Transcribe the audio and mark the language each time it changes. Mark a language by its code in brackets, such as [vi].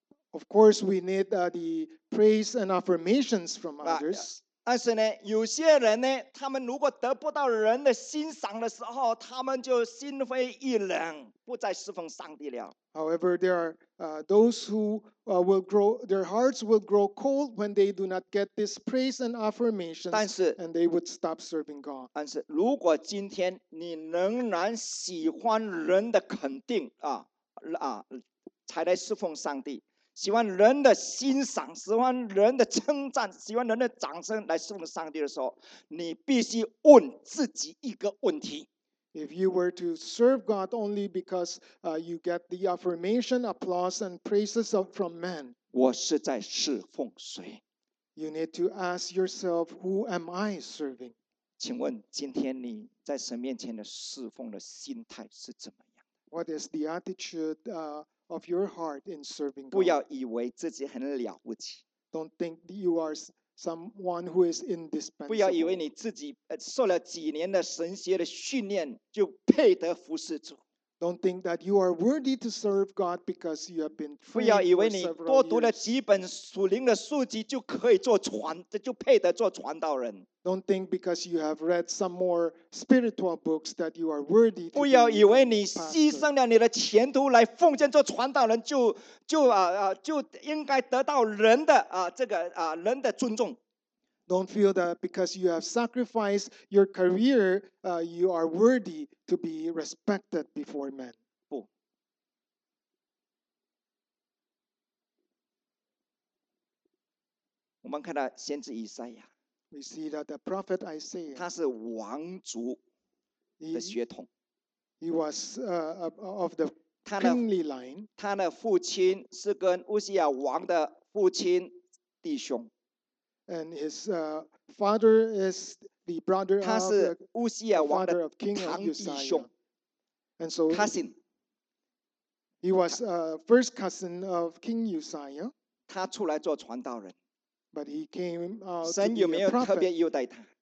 [en] Of course, we need the praise and affirmations from others. [zh] 但是呢，有些人呢，他们如果得不到人的欣赏的时候，他们就心灰意冷，不再侍奉上帝了。 [en] However, there are those who will grow, their hearts will grow cold when they do not get this praise and affirmation. [zh] 但是 [en] ，and they would stop serving God. [zh] 但是，如果今天你仍然喜欢人的肯定才来侍奉上帝。喜欢人的欣赏，喜欢人的称赞，喜欢人的掌声来侍奉上帝的时候，你必须问自己一个问题。 [en] If you were to serve God only because you get the affirmation, applause, and praises from men, [zh] 我是在侍奉谁 [en] ？You need to ask yourself, who am I serving? [zh] 请问今天你在神面前的侍奉的心态是怎么样 [en] ？What is the attitude? Of your heart in serving God. [zh] 不要以为自己很了不起。 [en] Don't think you are someone who is indispensable. [zh] 不要以为你自己受了几年的神学的训练就配得服侍主。 [en] Don't Don't think that you are worthy to serve God because you have been trained for several years. Don't think because you have read some more spiritual books that you are worthy to be a pastor. [zh] 不要以为你牺牲了你的前途来奉献做传道人，就应该得到人的尊重。 [en] Don't feel that because you have sacrificed your career, you are worthy to be respected before men. [zh] 我们看到先知以赛亚, [en] we see that the prophet Isaiah, [zh] 他是王族的血统, [en] he was of the kingly line. [zh] 他的父亲是跟乌西亚王的父亲弟兄。 [en] And his father is the brother of the father of King Uzziah. And so he was a first cousin of King Uzziah. But he came out to be a prophet.